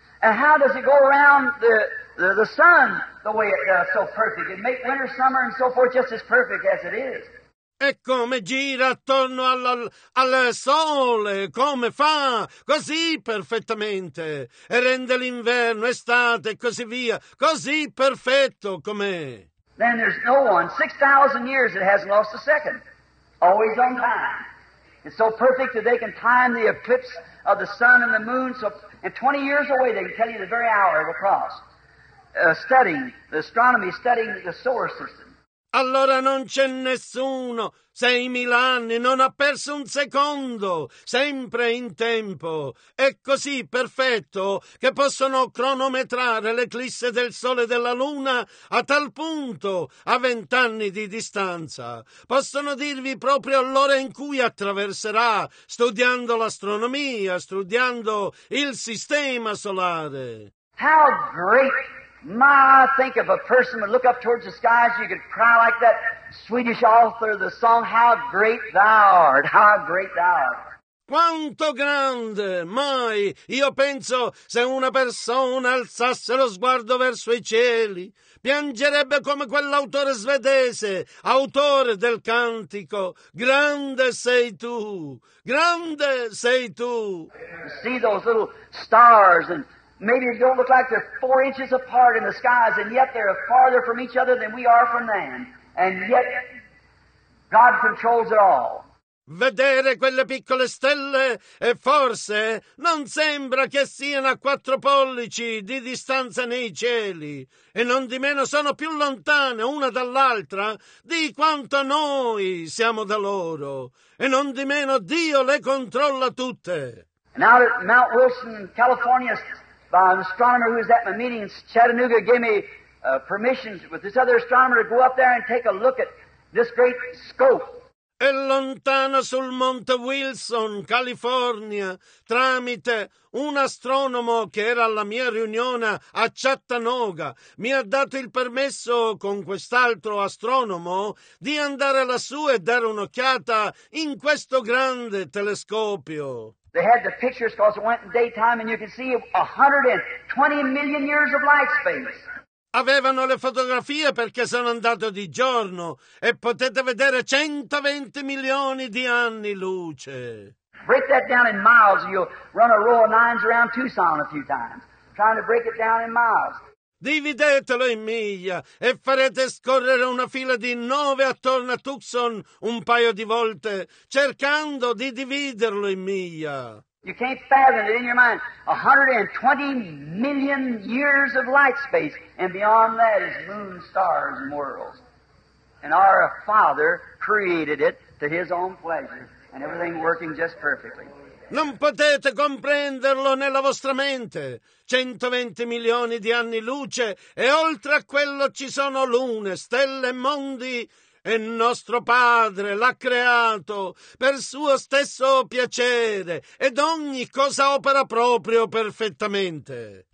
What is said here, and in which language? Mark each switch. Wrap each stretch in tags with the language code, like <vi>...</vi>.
<en>And how does it go around the sun the way it does so perfect? It make winter, summer and so forth just as perfect as it is.</en> <it>E come gira attorno al sole, come fa così perfettamente, e rende l'inverno, estate e così via, così perfetto com'è.</it> <en>Then there's no one, 6,000 years it hasn't lost a second, always on time. It's so perfect that they can time the eclipse of the sun and the moon, so and 20 years away they can tell you the very hour it will cross, studying, the astronomy studying the solar system.</en> <it>Allora non c'è nessuno, 6,000 anni, non ha perso un secondo, sempre in tempo. È così perfetto che possono cronometrare l'eclisse del Sole e della Luna a tal punto, a 20 anni di distanza. Possono dirvi proprio l'ora in cui attraverserà, studiando l'astronomia, studiando il sistema solare.</it> <en>How great! My, think of a person would look up towards the skies, you could cry like that Swedish author of the song, how great thou art, how great thou art.</en> <it>Quanto grande, mai, io penso, se una persona alzasse lo sguardo verso i cieli, piangerebbe come quell'autore svedese, autore del cantico, grande sei tu, grande sei tu.</it> <en>You see those little stars and maybe it don't look like they're 4 inches apart in the skies, and yet they're farther from each other than we are from man. And yet, God controls it all.</en> <it>Vedere quelle piccole stelle, e forse non sembra che siano a 4 pollici di distanza nei cieli, e non di meno sono più lontane una dall'altra di quanto noi siamo da loro, e non di meno Dio le controlla tutte.</it> <en>Now that Mount Wilson, California, by an astronomer who was at my meeting in Chattanooga, gave me permission with this other astronomer to go up there and take a look at this great scope.</en> <it>è lontana sul Monte Wilson, California, tramite un astronomo che era alla mia riunione a Chattanooga. Mi ha dato il permesso con quest'altro astronomo di andare lassù e dare un'occhiata in questo grande telescopio.</it> <en>They had the pictures because it went in daytime and you could see 120 million years of light space.</en> <it>Avevano le fotografie perché sono andato di giorno e potete vedere 120 milioni di anni luce.</it> <en>Break that down in miles and you'll run a row of nines around Tucson a few times, trying to break it down in miles.</en> <it>Dividetelo in miglia e farete scorrere una fila di 9 attorno a Tucson un paio di volte, cercando di dividerlo in miglia.</it> <en>You can't fathom it in your mind. 120 million years of light space, and beyond that is moon, stars, and worlds. And our Father created it to His own pleasure, and everything working just perfectly.</en> <it>Non potete comprenderlo nella vostra mente. 120 milioni di anni luce, e oltre a quello ci sono lune, stelle e mondi. E nostro Padre l'ha creato per suo stesso piacere, ed ogni cosa opera proprio perfettamente.</it>